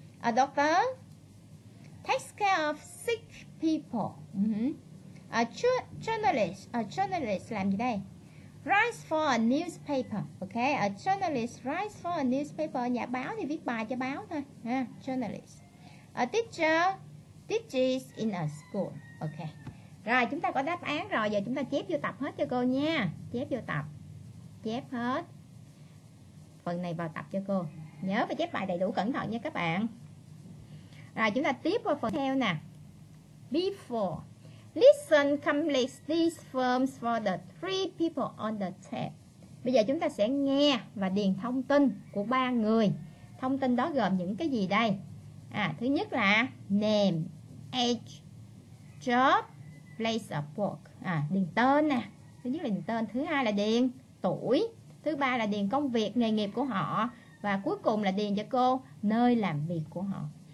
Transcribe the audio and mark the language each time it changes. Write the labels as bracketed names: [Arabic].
[English] A doctor takes care of sick people. A journalist [Vietnamese] làm gì đây? [English] Writes for a newspaper. Ok, a journalist writes for a newspaper. [Vietnamese] Nhà báo thì viết bài cho báo thôi ha. [English] Journalist. A teacher teaches in a school. Ok. [Vietnamese] Rồi chúng ta có đáp án rồi. Giờ chúng ta chép vô tập hết cho cô nha. Chép vô tập. Chép hết phần này vào tập cho cô. Nhớ phải chép bài đầy đủ cẩn thận nha các bạn. Rồi chúng ta tiếp qua phần theo nè. [English] Before. Listen, complete these forms for the three people on the tape. [Vietnamese] Bây giờ chúng ta sẽ nghe và điền thông tin của ba người. Thông tin đó gồm những cái gì đây? À, thứ nhất là name, age, job, place of work. À, điền tên nè. Thứ nhất là điền tên, thứ hai là điền tuổi, thứ ba là điền công việc, nghề nghiệp của họ, và cuối cùng là điền cho cô nơi làm việc của họ.